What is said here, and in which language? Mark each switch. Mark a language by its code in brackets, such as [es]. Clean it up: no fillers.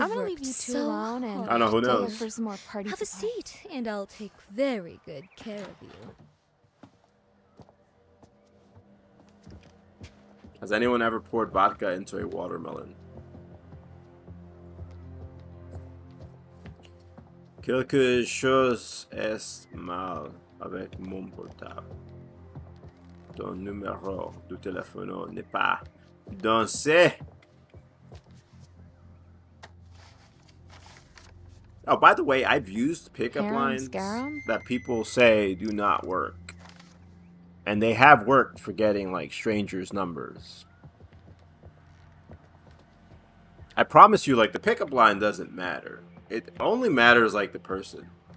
[en] I'm gonna leave you two so alone and... I don't know, who knows? For some more party have supplies. A seat, and I'll take very good care of you. Has anyone ever poured vodka into a watermelon? [fr] Quelque chose est mal avec mon portable. Ton numéro de téléphone n'est pas dansé. [en] Oh, by the way, I've used pickup lines that people say do not work. And they have worked for getting, like, strangers' numbers. I promise you, like, the pickup line doesn't matter. It only matters, like, the person.